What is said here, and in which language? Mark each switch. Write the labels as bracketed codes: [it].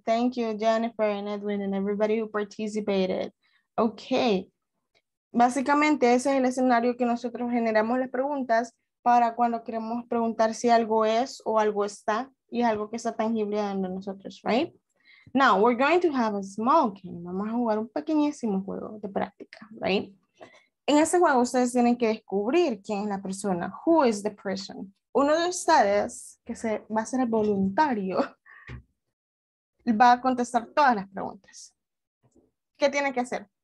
[en] Thank you, Jennifer and Edwin and everybody who participated. Okay. [es] Básicamente, ese es el escenario que nosotros generamos las preguntas para cuando queremos preguntar si algo es o algo está y es algo que está tangible dentro de nosotros, [en] right? Now, we're going to have a small game. [es] Vamos a jugar un pequeñísimo juego de práctica, [en] right? [es] En ese juego, ustedes tienen que descubrir quién es la persona. [en] Who is the person? [es] Uno de ustedes, que va a ser el voluntario, va a contestar todas las preguntas. ¿Qué tiene que hacer?